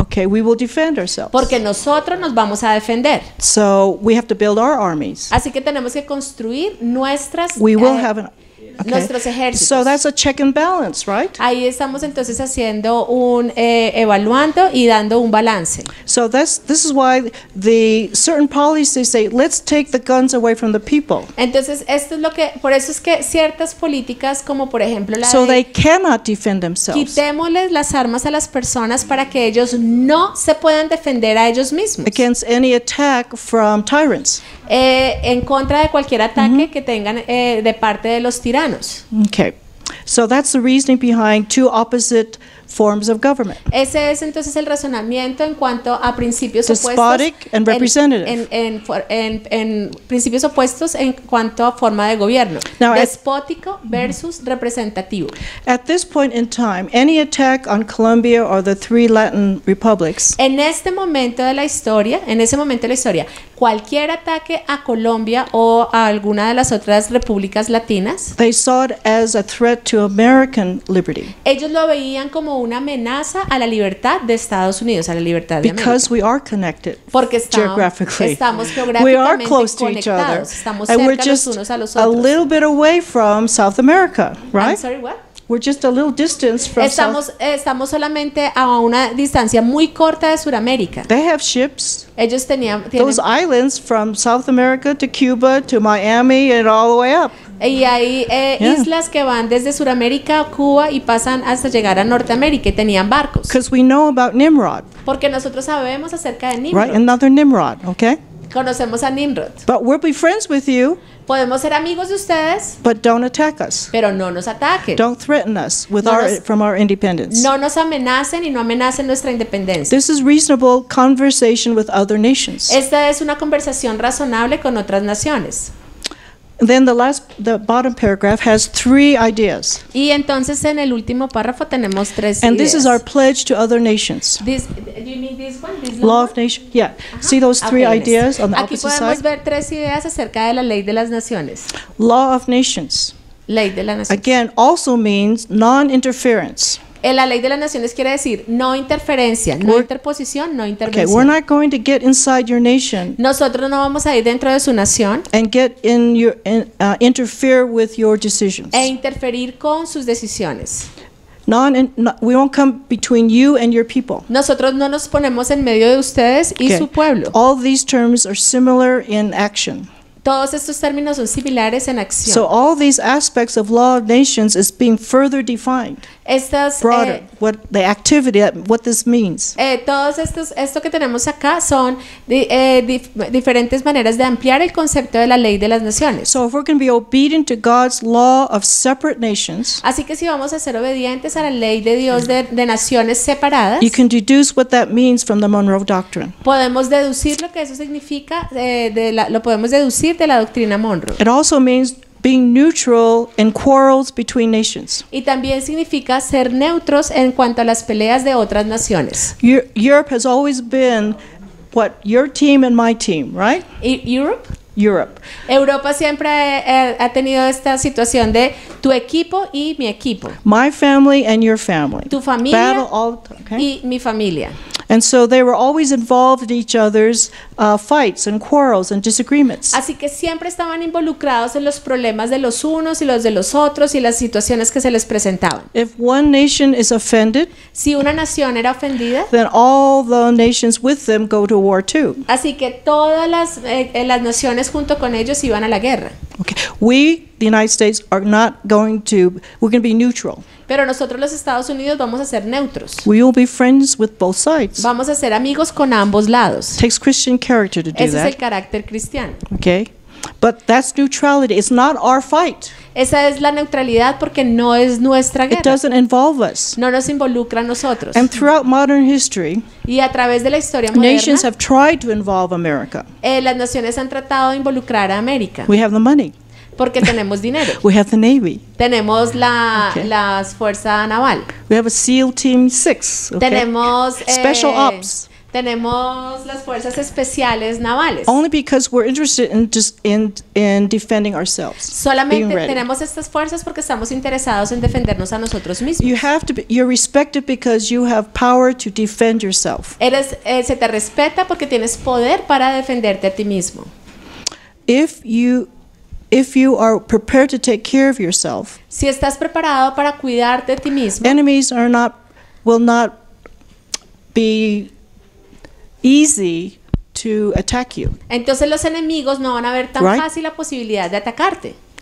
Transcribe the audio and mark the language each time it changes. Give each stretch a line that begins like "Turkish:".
English: Okay, we will defend ourselves.
Spanish: Porque nosotros nos vamos a defender.
English: So, we have to build our armies.
Spanish: Así que tenemos que construir nuestras
English: we will have an
Spanish: okay. Nuestros ejércitos.
English: So that's a check and balance, right?
Spanish: Ahí estamos entonces haciendo un evaluando y dando un balance.
English: So this is why the certain policies say let's take the guns away from the people.
Spanish: Entonces esto es lo que por eso es que ciertas políticas como por ejemplo la
English: so
Spanish: de
English: they cannot defend themselves.
Spanish: Quitémosles las armas a las personas para que ellos no se puedan defender a ellos mismos.
English: Against any attack from tyrants.
Spanish: En contra de cualquier ataque mm-hmm. que tengan de parte de los tiranos.
English: Okay. So that's the reasoning behind two opposite forms of government.
Spanish: Ese es entonces el razonamiento en cuanto a principios
English: despotic
Spanish: opuestos.
English: Despotic and representative.
Spanish: En principios opuestos en cuanto a forma de gobierno.
English: Now
Spanish: despótico versus mm-hmm. representativo.
English: At this point in time, any attack on Colombia or the three Latin republics.
Spanish: En este momento de la historia, en ese momento de la historia, cualquier ataque a Colombia o a alguna de las otras repúblicas latinas.
English: They saw it as a threat to American liberty.
Spanish: Ellos lo veían como una amenaza a la libertad de Estados Unidos, a la libertad de América.
English: Because we are connected
Spanish: porque estamos
English: geographically.
Spanish: Estamos geográficamente
English: we are close
Spanish: conectados,
English: to each other.
Spanish: Estamos cerca
English: we're just
Spanish: los unos a los otros.
English: A little bit away from South America, right? I'm sorry, what? We're just a little distance from
Spanish: estamos,
English: South.
Spanish: Estamos solamente a una distancia muy corta de Sudamérica.
English: They have ships.
Spanish: Ellos tenían
English: those islands from South America to Cuba to Miami and all the way up.
Spanish: Y hay islas que van desde Sudamérica a Cuba y pasan hasta llegar a Norteamérica y tenían barcos.
English: Because we know about Nimrod.
Spanish: Porque nosotros sabemos acerca de Nimrod.
English: Right, another Nimrod, okay?
Spanish: Conocemos a Nimrod.
English: But we'll be friends with you.
Spanish: Podemos ser amigos de ustedes.
English: But don't attack us.
Spanish: Pero no nos ataquen.
English: Don't threaten us with from our independence.
Spanish: No nos amenacen y no amenacen nuestra independencia.
English: This is reasonable conversation with other nations.
Spanish: Esta es una conversación razonable con otras naciones.
English: Then the bottom paragraph has three ideas.
Spanish: Y entonces en el último párrafo tenemos tres
English: ideas. And this is our pledge to other nations. This law one? Of nations. Yeah. See those three okay, ideas on the
Spanish: aquí
English: opposite
Spanish: podemos
English: side?
Spanish: Ver tres ideas acerca de la ley de las naciones.
English: Law of nations.
Spanish: Ley de la nación.
English: Again, also means non-interference.
Spanish: La ley de las naciones quiere decir no interferencia, no interposición, no intervención.
English: Okay, we're not going to get inside your nation.
Spanish: Nosotros no vamos a ir dentro de su nación.
English: And get in your interfere with your decisions.
Spanish: E interferir con sus decisiones.
English: We won't come between you and your people.
Spanish: Nosotros no nos ponemos en medio de ustedes y
English: okay.
Spanish: su pueblo.
English: All these terms are similar in action.
Spanish: Todos estos términos son similares en acción.
English: So all these aspects of law of nations is being further defined.
Spanish: Estas,
English: broader, what the activity, what this means.
Spanish: Todos estos, esto que tenemos acá son diferentes maneras de ampliar el concepto de la ley de las naciones.
English: So if we're going to be obedient to God's law of separate nations.
Spanish: Así que si vamos a ser obedientes a la ley de Dios de naciones separadas.
English: You can deduce what that means from the Monroe Doctrine.
Spanish: Podemos deducir lo que eso significa, lo podemos deducir de la doctrina Monroe.
English: It also means being neutral in quarrels between nations.
Spanish: Y también significa ser neutros en cuanto a las peleas de otras naciones.
English: Europe has always been what your team and my team, right? Europe? Europe.
Spanish: Europa siempre ha tenido esta situación de tu equipo y mi equipo.
English: My family and your family.
Spanish: Tu familia
English: battle all the time, okay?
Spanish: Y mi familia.
English: And so they were always involved in each other's fights and quarrels and disagreements.
Spanish: Así que siempre estaban involucrados en los problemas de los unos y los de los otros y las situaciones que se les presentaban.
English: If one nation is offended,
Spanish: si una nación era ofendida,
English: then all the nations with them go to war too.
Spanish: Así que todas las naciones junto con ellos iban a la guerra.
English: Okay. We, the United States, are not going to, we're going to be neutral.
Spanish: Pero nosotros los Estados Unidos vamos a ser neutros.
English: We will be friends with both sides.
Spanish: Vamos a ser amigos con ambos lados.
English: It takes Christian character to do
Spanish: Ese
English: that.
Spanish: Ese es el carácter cristiano.
English: Okay. But that's neutrality. It's not our fight.
Spanish: Esa es la neutralidad porque no es nuestra guerra.
English: It doesn't involve us.
Spanish: No nos involucra a nosotros.
English: And throughout modern history,
Spanish: y a través de la historia moderna,
English: nations have tried to involve America.
Spanish: Las naciones han tratado de involucrar a América.
English: We have the money.
Spanish: Porque tenemos dinero.
English: We have the Navy.
Spanish: Tenemos la la fuerza naval.
English: We have a SEAL Team 6. Okay?
Spanish: Tenemos
English: Special Ops.
Spanish: Tenemos las fuerzas especiales navales.
English: Only because we're interested in just in defending ourselves.
Spanish: Solamente tenemos estas fuerzas porque estamos interesados en defendernos a nosotros mismos.
English: You have to be, you're respected because you have power to defend yourself.
Spanish: Eres se te respeta porque tienes poder para defenderte a ti mismo.
English: If you are prepared to take care of yourself,
Spanish: si estás preparado para cuidarte a ti mismo,
English: enemies are not, will not be easy to attack you.
Spanish: Entonces los enemigos no van a ver tan fácil la posibilidad de atacarte.